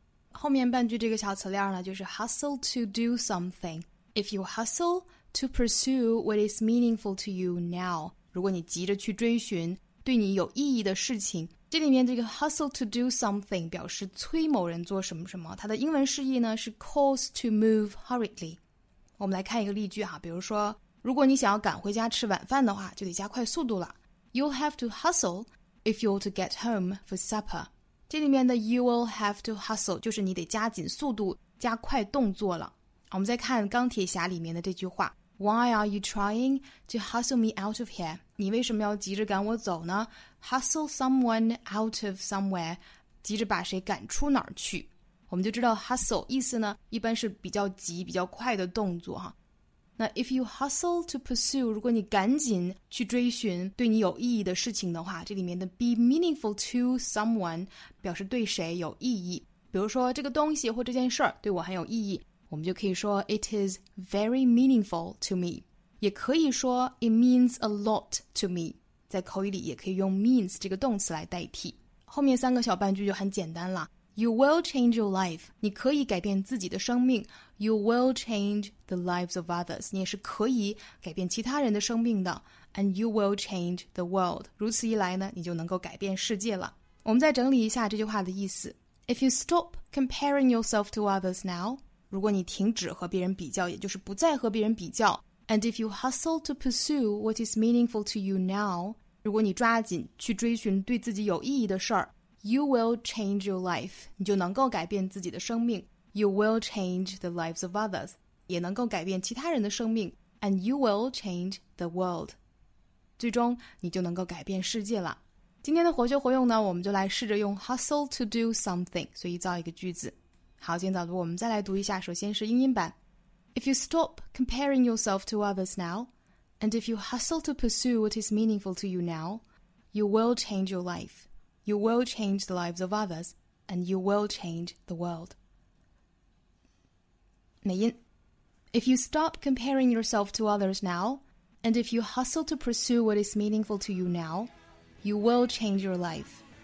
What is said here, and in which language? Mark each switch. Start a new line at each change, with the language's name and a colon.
Chinese: 后面半句这个小词链呢就是 hustle to do something
English: If you hustle to pursue what is meaningful to you now
Chinese: 如果你急着去追寻对你有意义的事情这里面这个 hustle to do something 表示催某人做什么什么它的英文释义呢是
English: cause to move hurriedly
Chinese: 我们来看一个例句哈，比如说如果你想要赶回家吃晚饭的话就得加快速度了
English: You'll have to hustle if you're to get home for supper
Chinese: 这里面的
English: you will have to hustle
Chinese: 就是你得加紧速度加快动作了我们再看钢铁侠里面的这句话
English: Why are you trying to hustle me out of here?
Chinese: 你为什么要急着赶我走呢
English: Hustle someone out of somewhere
Chinese: 急着把谁赶出哪儿去我们就知道 hustle 意思呢一般是比较急比较快的动作哈。那 if you hustle to pursue 如果你赶紧去追寻对你有意义的事情的话这里面的 be meaningful to someone 表示对谁有意义比如说这个东西或这件事对我很有意义我们就可以说
English: it is very meaningful to me
Chinese: 也可以说
English: it means a lot to me
Chinese: 在口语里也可以用 means 这个动词来代替后面三个小半句就很简单了
English: You will change your life.
Chinese: 你可以改变自己的生命。
English: You will change the lives of others.
Chinese: 你也是可以改变其他人的生命的。
English: And you will change the world.
Chinese: 如此一来呢，你就能够改变世界了。我们再整理一下这句话的意思。
English: If you stop comparing yourself to others now,
Chinese: 如果你停止和别人比较，也就是不再和别人比较。
English: And if you hustle to pursue what is meaningful to you now,
Chinese: 如果你抓紧去追寻对自己有意义的事儿。
English: You will change your life.
Chinese: 你就能够改变自己的生命。
English: You will change the lives of others.
Chinese: 也能够改变其他人的生命。
English: And you will change the world.
Chinese: 最终你就能够改变世界了。今天的活学活用呢我们就来试着用 hustle to do something. 所以造一个句子。好今天早读我们再来读一下首先是英音版。
English: If you stop comparing yourself to others now, and if you hustle to pursue what is meaningful to you now, you will change your life. You will change the lives of others, and you will change the world. 美音 If you stop comparing yourself to others now, and if you hustle to pursue what is meaningful to you now, you will change your life.